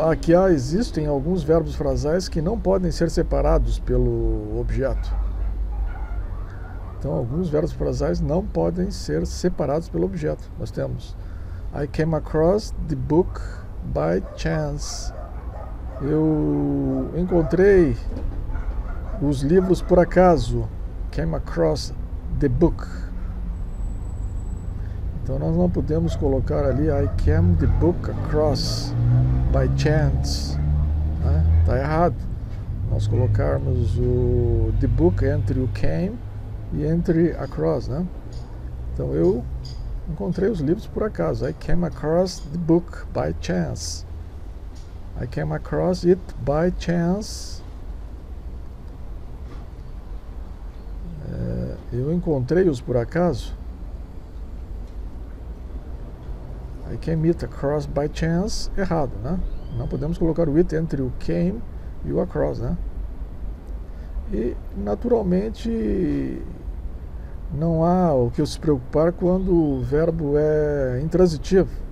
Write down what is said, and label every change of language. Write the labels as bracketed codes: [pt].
[pt] Aqui há, existem alguns verbos frasais que não podem ser separados pelo objeto. Então, alguns verbos frasais não podem ser separados pelo objeto. Nós temos: [en] I came across the book by chance. [pt] Eu encontrei os livros por acaso. [en] Came across the book. [pt] Então nós não podemos colocar ali [en] I came the book across by chance. [pt] Né? Tá errado. Nós colocarmos o the book entre o came e entre across, né? Então eu encontrei os livros por acaso. [en] I came across the book by chance. I came across it by chance. [pt] Eu encontrei-os por acaso. [en] I came it across by chance. [pt] Errado, né? Não podemos colocar o it entre o came e o across, né? E, naturalmente, não há o que se preocupar quando o verbo é intransitivo.